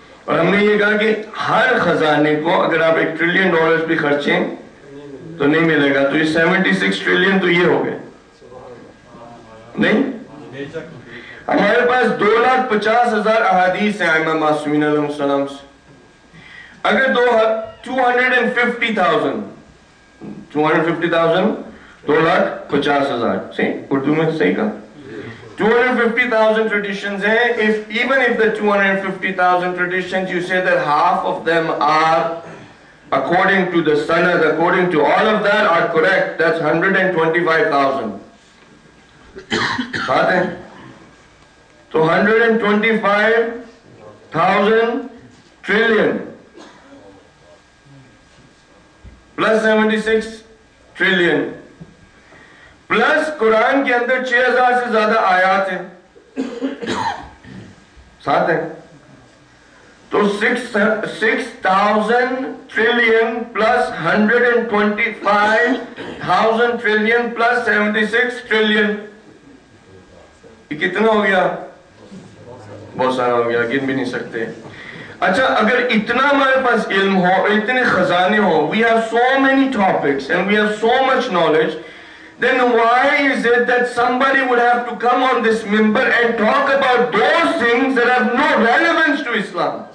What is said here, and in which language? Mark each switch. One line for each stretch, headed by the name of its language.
Urdu: اور ہم نے یہ کہا کہ ہر خزانے کو اگر آپ ایک ٹریلین ڈالرز بھی خرچیں تو نہیں ملے گا, تو یہ 76 ٹریلین تو یہ ہو گئے نہیں. ہمارے پاس 250,000 احادیث ہیں امام معصومین علیہ السلام سے. اگر
English: 250,000
Urdu: traditions hain,
English: if even if the 250,000 traditions you say that half of them are according to the sanad, according to all of that are correct, that's 125,000
Urdu: baat hai.
English: So 125,000 trillion plus 76 trillion
Urdu: plus قرآن کے اندر 6,000 سے زیادہ آیات ہیں, ساتھ ہیں تو 6,000 trillion plus 125,000 trillion plus 76 trillion یہ کتنا ہو گیا, بہت سارا ہو گیا, گن بھی نہیں سکتے. اچھا اگر اتنا ہمارے پاس علم ہو اور اتنے خزانے ہو,
English: We have so many topics and we have so much knowledge, then why is it that somebody would have to come on this minbar and talk about those things that have no relevance to Islam?